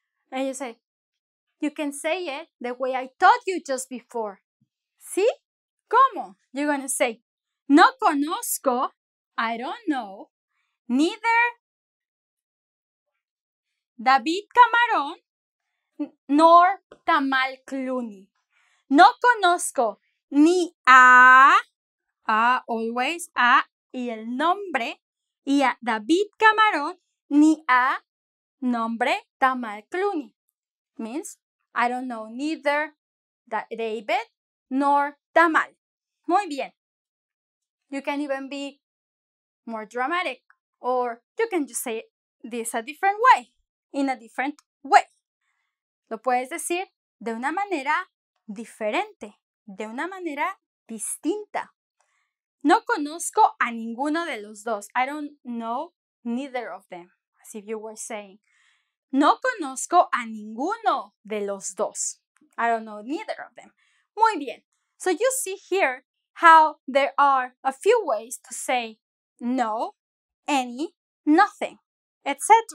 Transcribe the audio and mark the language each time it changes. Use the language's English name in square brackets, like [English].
[English] And you say, you can say it the way I taught you just before. [Spanish] ¿Sí? ¿Cómo? [English] You're going to say, [Spanish] no conozco, [English] I don't know, neither David Camarón nor Tamal Clooney. [Spanish] No conozco ni a, always a, y el nombre, y a David Camarón, ni a nombre Tamal Clooney. [English] Means, I don't know neither David nor Tamal. [Spanish] Muy bien. [English] You can even be more dramatic, or you can just say this a different way, in a different way. [Spanish] Lo puedes decir de una manera diferente, de una manera distinta. No conozco a ninguno de los dos. [English] I don't know neither of them, as if you were saying. [Spanish] No conozco a ninguno de los dos. [English] I don't know neither of them. [Spanish] Muy bien. [English] So you see here how there are a few ways to say no, any, nothing, etc.